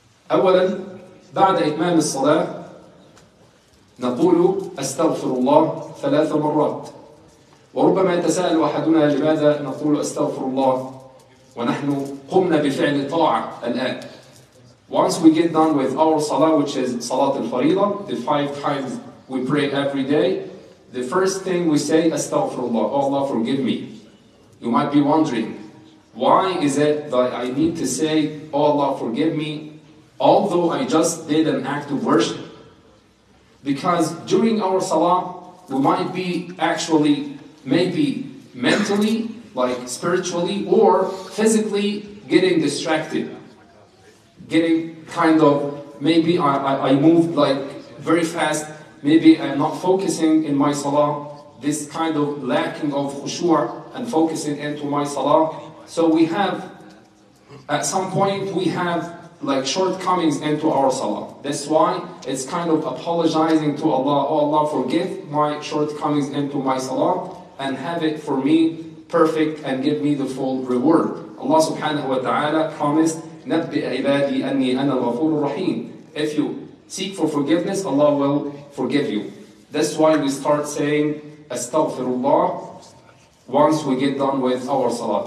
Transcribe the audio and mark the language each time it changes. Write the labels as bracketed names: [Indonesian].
[Arabic] Awalan, ba'd itmam al-salah, نقول أستغفر الله ثلاث مرات. وربما يتساءل أحدنا لماذا نقول أستغفر الله ونحن قمنا بفعل طاعة الآن. [English] Once we get done with our salah, which is [Arabic] صلاة الفريضة, [English] the five times we pray every day, the first thing we say [Arabic] أستغفر الله. [English] Oh Allah, forgive me. You might be wondering, why is it that I need to say, Oh Allah, forgive me, although I just did an act of worship? Because during our salah, we might be actually, maybe mentally, like spiritually, or physically getting distracted. Getting kind of, maybe I moved like very fast, maybe I'm not focusing in my salah, this kind of lacking of khushu' and focusing into my salah. So we have, at some point, we have like shortcomings into our salah. That's why it's kind of apologizing to Allah. Oh Allah, forgive my shortcomings into my salah and have it for me perfect and give me the full reward. [Arabic] Allah subhanahu wa ta'ala promised, نَبِّئْ عِبَادِي أَنِّي أَنَا الْغَفُورُ الرَّحِيمُ. [English] If you seek for forgiveness, Allah will forgive you. That's why we start saying, Astaghfirullah, once we get done with our salah.